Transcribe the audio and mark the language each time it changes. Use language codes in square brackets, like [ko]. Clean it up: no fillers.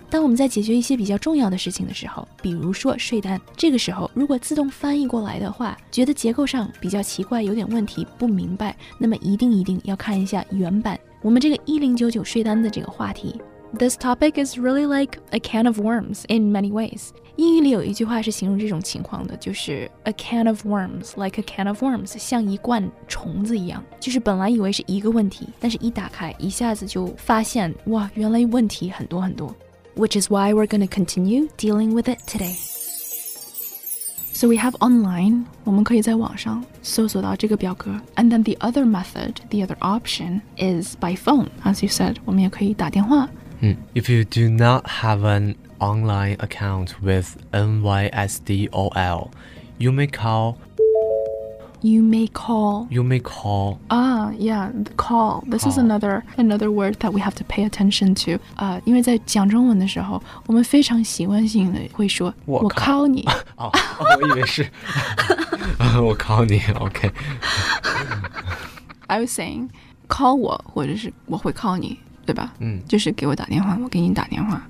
[zh] 当我们在解决一些比较重要的事情的时候，比如说税单，这个时候如果自动翻译过来的话，觉得结构上比较奇怪，有点问题，不明白，那么一定要看一下原版。我们这个1099税单的这个话题。 [en] This topic is really like a can of worms in many ways. [zh] 英语里有一句话是形容这种情况的，就是 [en] a can of worms, [zh] like a can of worms, 像一罐虫子一样，就是本来以为是一个问题，但是一打开一下子就发现，哇，原来问题很多很多。 [en] Which is why we're going to continue dealing with it today. So we have online, [zh] 我们可以在网上搜索到这个表格。 [en] And then the other method, the other option is by phone. As you said, [zh] 我们也可以打电话。 [en] If you do not have an online account with NYSDOL, you may call. You may call. Call. This is another word that we have to pay attention to. [zh] 因为在讲中文的时候，我们非常习惯性的会说我 call 你。我以为是我 call 你。OK. [en] I was saying, [zh] call 我，或者是我会 call 你。对吧、就是给我打电话，我给你打电话。